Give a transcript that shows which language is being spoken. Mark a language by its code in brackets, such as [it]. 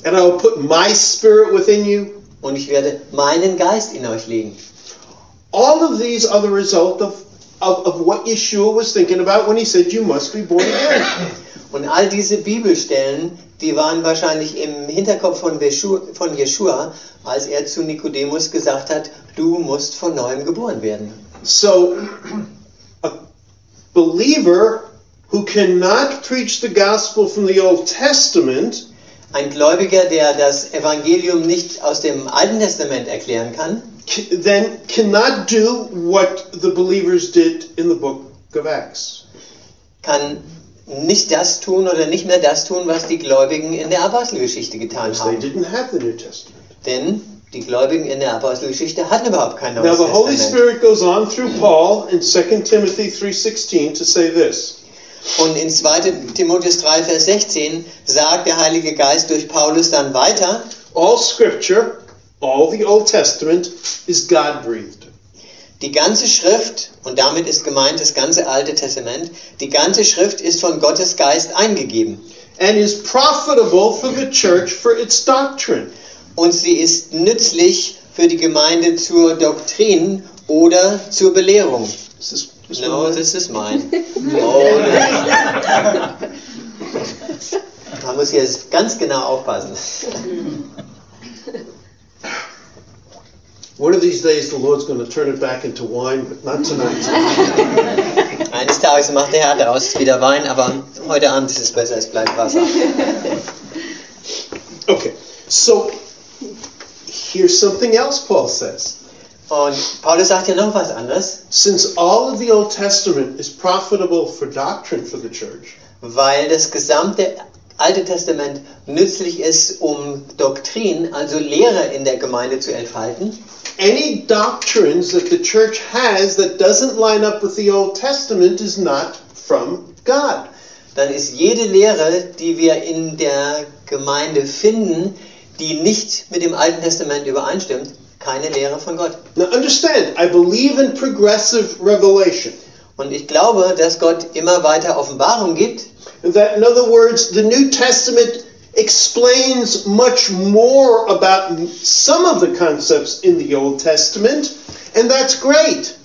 [en] And I will put my spirit within you. [de] Und ich werde meinen Geist in euch legen. [en] All of these are the result of what Yeshua was thinking about when he said you must be born again. [de] Und all diese Bibelstellen, die waren wahrscheinlich im Hinterkopf von Yeshua, als er zu Nikodemus gesagt hat, du musst von neuem geboren werden. [en] So, a believer who cannot preach the gospel from the Old Testament, [de] ein Gläubiger, der das Evangelium nicht aus dem Alten Testament erklären kann, [en] then cannot do what the believers did in the book of Acts. [de] Kann nicht das tun oder nicht mehr das tun, was die Gläubigen in der Apostelgeschichte getan haben. [en] They didn't have the New Testament. [de] Denn die Gläubigen in der Apostelgeschichte hatten überhaupt kein Neues [en] Now the Holy Spirit goes on through Paul in 2 Timothy 3:16 to say this. [de] Und in 2. Timotheus 3, Vers 16 sagt der Heilige Geist durch Paulus dann weiter, [en] All Scripture, all the Old Testament, is God-breathed. [de] Die ganze Schrift, und damit ist gemeint das ganze Alte Testament, die ganze Schrift ist von Gottes Geist eingegeben. [en] And is profitable for the church for its doctrine. [de] Und sie ist nützlich für die Gemeinde zur Doktrin oder zur Belehrung. [en] This is mine. [de] Man muss jetzt ganz genau aufpassen. [en] One of these days the Lord's going to turn it back into wine, but not tonight. [de] Eines Tages macht der Herr daraus wieder Wein, aber heute Abend ist es besser, es bleibt Wasser. [en] Okay, so here's something else Paul says. [de] Und Paulus sagt ja noch was anderes. [en] Since all of the Old Testament is profitable for doctrine for the church. [de] Weil das gesamte Alte Testament nützlich ist, um Doktrin, also Lehre in der Gemeinde zu entfalten. [en] Any doctrines that the church has that doesn't line up with the Old Testament is not from God. [de] Dann ist jede Lehre, die wir in der Gemeinde finden, die nicht mit dem Alten Testament übereinstimmt, keine Lehre von Gott. [en] Now understand, I believe in progressive revelation. [de] Und ich glaube, dass Gott immer weiter Offenbarung gibt. [en] That, in other words, the New Testament explains much more about some of the concepts in the Old Testament, and that's great.